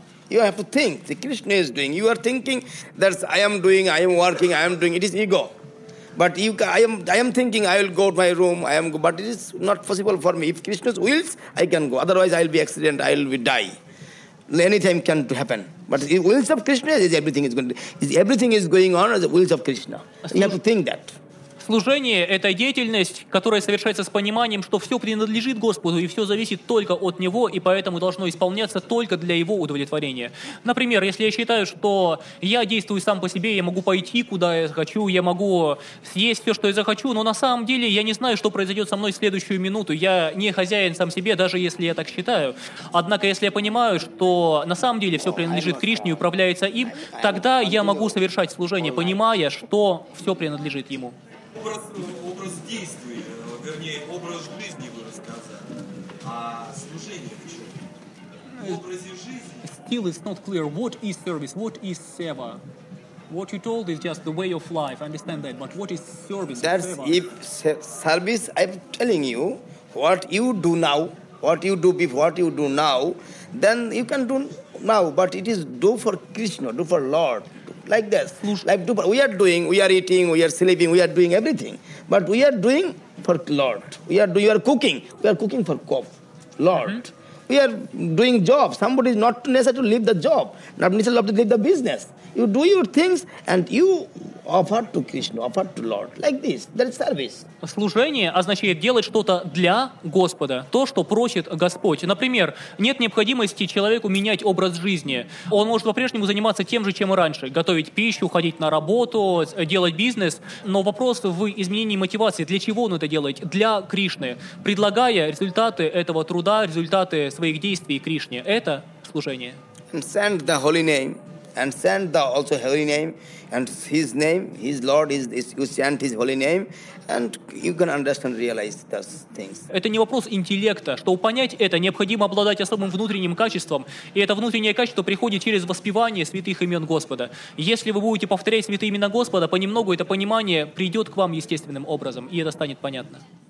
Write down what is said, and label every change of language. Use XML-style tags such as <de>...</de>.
<en>You have to think, the Krishna is doing. You are thinking that I am doing, I am working, I am doing, it is ego. But you, I am thinking I will go to my room, I am, but it is not possible for me. If Krishna wills, I can go, otherwise I will be accident, I will be die. Anything can happen. But the wills of Krishna is everything is going to, is everything is going on as the wills of Krishna. You have to think that.</en> <ru>Служение — это деятельность, которая совершается с пониманием, что все принадлежит Господу и все зависит только от Него, и поэтому должно исполняться только для Его удовлетворения. Например, если я считаю, что я действую сам по себе, я могу пойти, куда я хочу, я могу съесть все, что я захочу, но на самом деле я не знаю, что произойдет со мной в следующую минуту. Я не хозяин сам себе, даже если я так считаю. Однако, если я понимаю, что на самом деле все принадлежит Кришне и управляется им, тогда я могу совершать служение, понимая, что все принадлежит Ему. Образ действий, вернее, образ жизни вы рассказали, а служение в чем? В образе жизни.</ru> <en>Still it's not clear. What is service? What is seva? What you told is just the way of life. I understand that, but what is service? That's seva? If service, I'm telling you, what you do now, what you do before, what you do now, then you can do now, but it is do for Krishna, do for Lord. Like this, like we are doing, we are eating, we are sleeping, we are doing everything. But we are doing for Lord. We are cooking for God, Lord. Mm-hmm. We are doing job. Somebody is not necessary to leave the job, not necessary to leave the business. You do your things and you offer to Krishna, offer to Lord. Like this, that is service.</en> <ru>Служение означает делать что-то для Господа, то, что просит Господь. Например, нет необходимости человеку менять образ жизни. Он может по-прежнему заниматься тем же, чем и раньше. Готовить пищу, ходить на работу, делать бизнес. Но вопрос в изменении мотивации. Для чего он это делает? Для Кришны. Предлагая результаты этого труда, результаты своих действий Кришне. Это служение.</ru> <en>And send the holy name. And send the also holy name, and his name, his Lord is you send his holy name, and you can understand, realize those things.</en> <ru>Это не вопрос интеллекта. Чтобы понять это, необходимо обладать особым внутренним качеством, и это внутреннее качество приходит через воспевание святых имен Господа. Если вы будете повторять святые имена Господа, понемногу это понимание придет к вам естественным образом, и это станет понятно.</ru>